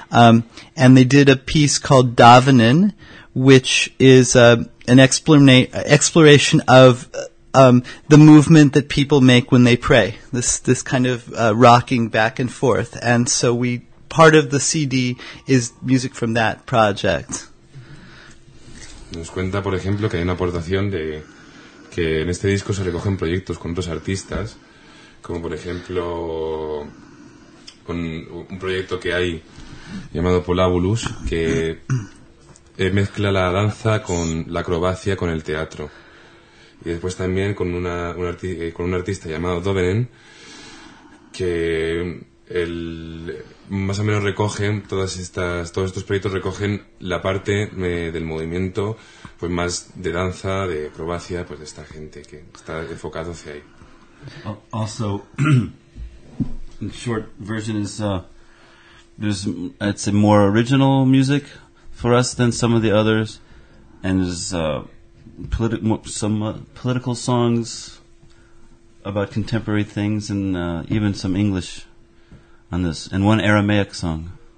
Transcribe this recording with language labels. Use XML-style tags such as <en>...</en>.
<en>And they did a piece called Davenin, which is an exploration of the movement that people make when they pray. This kind of rocking back and forth. And so part of the CD is music from that project.</en> <es>Nos cuenta, por ejemplo, que hay una aportación de que en este disco se recogen proyectos con otros artistas, como por ejemplo un proyecto que hay llamado Polabolas, que mezcla la danza con la acrobacia, con el teatro. Y después también con un artista llamado Dovenen, que el más o menos recogen todos estos proyectos recogen la parte del movimiento, pues más de danza, de acrobacia, pues de esta gente que está enfocado hacia ahí.</es> <en>Also, in short version is there's, it's a more original music for us than some of the others, and there's political songs about contemporary things, and even some English on this, and one Aramaic song.</en>